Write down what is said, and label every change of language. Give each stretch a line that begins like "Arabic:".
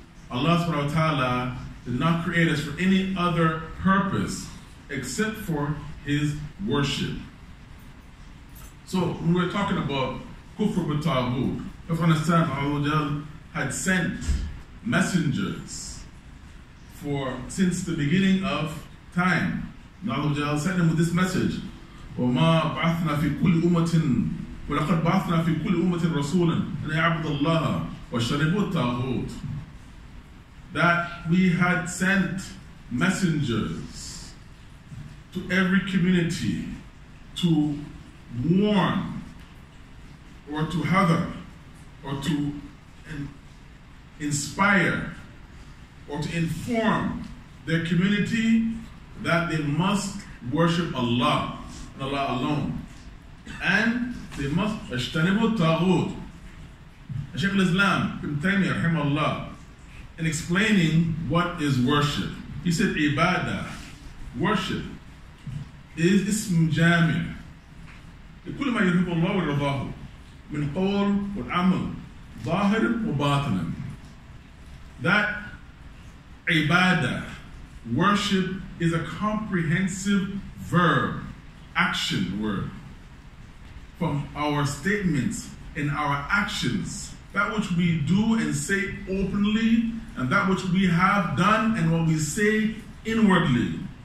English: Allah subhanahu wa ta'ala did not create us for any other purpose except for His worship. So when we're talking about kufr bit-taghut, if you understand, Allah subhanahu wa ta'ala had sent messengers for since the beginning of time. Allah subhanahu wa ta'ala sent them with this message:
Arabic: وَمَا بَعَثْنَا فِي كُلِّ أُمَّةٍ وَلَقَدْ بَعَثْنَا فِي كُلِّ أُمَّةٍ رَسُولًا أَنْ يَعْبُدُوا اللَّهَ وَشَرِبُوا الطَّاغُوتَ.
English: That we had sent messengers to every community to warn or to hather or to inspire or to inform their community that they must worship Allah and Allah alone. And they must ashtanibu ta'ud. Shaykh al-Islam, Ibn Taymiyyah, rahimahullah, in explaining what is worship, he said, ibadah, worship, is ism jami'.
Arabic: لكل ما يحب الله ورضاه من قول والعمل ظاهر وباطن.
English: That ibadah, worship, is a comprehensive verb, action word. From our statements and our actions, that which we do and say openly, and that which we have done and what we say inwardly.